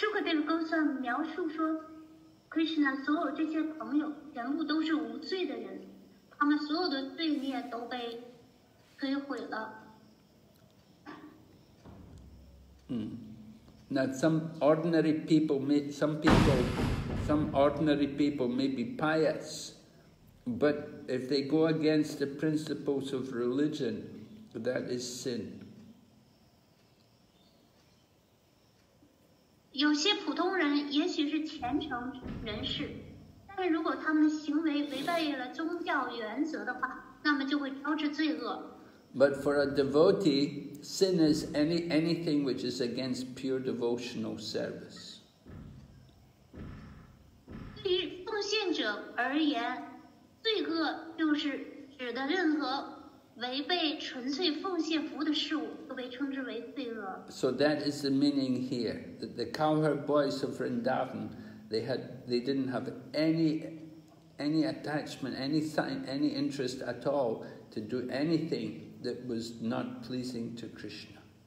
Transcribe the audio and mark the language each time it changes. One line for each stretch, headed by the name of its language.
English: Now some ordinary people may be pious. But if they go against the principles of religion, that is sin.
Chinese: 有些普通人也许是虔诚人士，但是如果他们的行为违背了宗教原则的话，那么就会招致罪恶。
English: But for a devotee, sin is anything which is against pure devotional service.
Chinese: 对于奉献者而言，罪恶就是指的任何违背纯粹奉献服务的事物都被称之为罪恶。
English: So that is the meaning here, that the cowherd boys of Vrindavan, they didn't have any attachment, any interest at all to do anything that was not pleasing to Krishna.